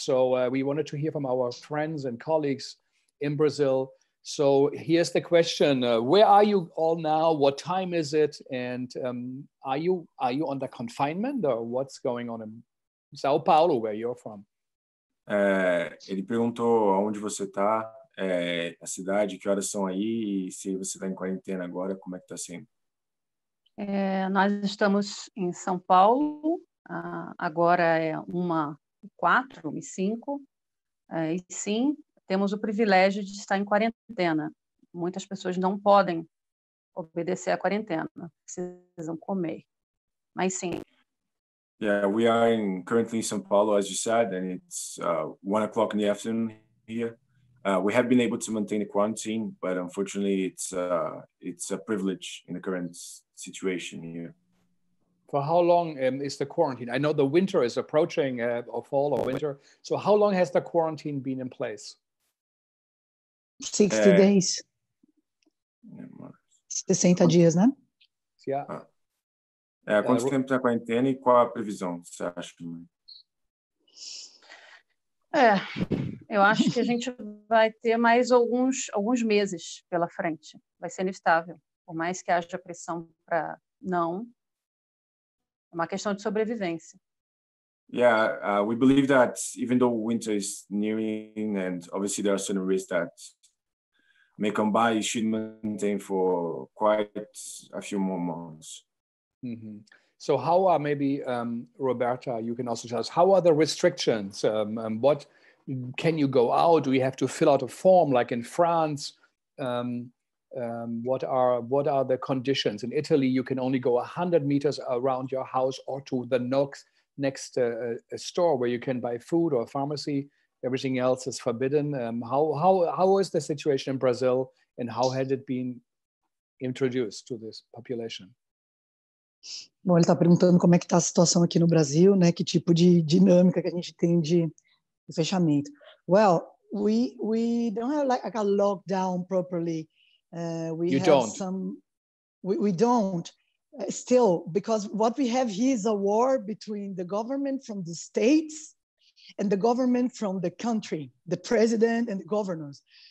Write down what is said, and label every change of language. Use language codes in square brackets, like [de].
[en] So we wanted to hear from our friends and colleagues in Brazil. So here's the question, where are you all now? What time is it? And are you under confinement or what's going on in São Paulo, where you're from? [pt] Ele perguntou onde você tá. a cidade, que horas são aí, e se você está em quarentena agora, como é que está sendo? Nós estamos em São Paulo, agora é 1:04, 1:05, e sim, temos o privilégio de estar em quarentena. Muitas pessoas não podem obedecer à quarentena, precisam comer, mas sim. [en] Yeah, we are currently in São Paulo, as you said, and it's 1:00 in the afternoon here. We have been able to maintain the quarantine, but unfortunately, it's a privilege in the current situation here. For how long is the quarantine? I know the winter is approaching, or fall or winter. So how long has the quarantine been in place? 60 days. [pt] 60 dias, né? [en] Yeah. [pt] Quanto tempo está a quarentena e qual a previsão, você acha? Eu acho que a gente vai ter mais alguns meses pela frente. Vai ser inevitável, por mais que haja pressão para não. É uma questão de sobrevivência. [en] We believe that even though winter is nearing and obviously there are certain risks that may come by, it should maintain for quite a few more months. Mm-hmm. So how are maybe, Roberta, you can also tell us, how are the restrictions? What can you go out? Do we have to fill out a form like in France? What are the conditions? In Italy, you can only go 100 meters around your house or to the next store where you can buy food or pharmacy. Everything else is forbidden. How is the situation in Brazil and how had it been introduced to this population? [pt] Bom, ele está perguntando como é que está a situação aqui no Brasil, né? Que tipo de dinâmica que a gente tem de fechamento. [en] Well, we don't have like a lockdown properly. We don't. Still, because what we have here is a war between the government from the states and the government from the country, the president and the governors.